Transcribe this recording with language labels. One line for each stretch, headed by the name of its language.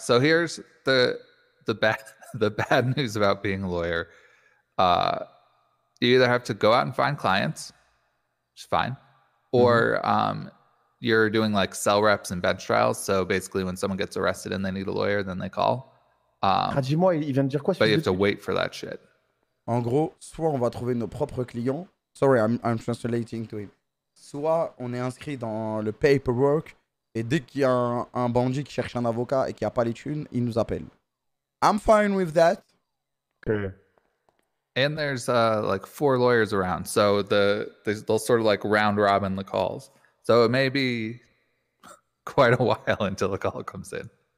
English: So here's the bad news about being a lawyer. You either have to go out and find clients, which is fine, or you're doing like cell reps and bench trials. So basically when someone gets arrested and they need a lawyer, then they call. But you have to wait for that shit.
French: En gros, soit on va trouver nos propres clients.
English: Sorry, I'm translating to him.
French: Soit on est inscrit dans le paperwork et dès qu'il y a un bandit qui cherche un avocat et qui a pas les thunes, il nous appelle.
English: I'm fine with that. Okay. And there's like four lawyers around, so they'll sort of like round robin the calls. So it may be quite a while until the call comes in.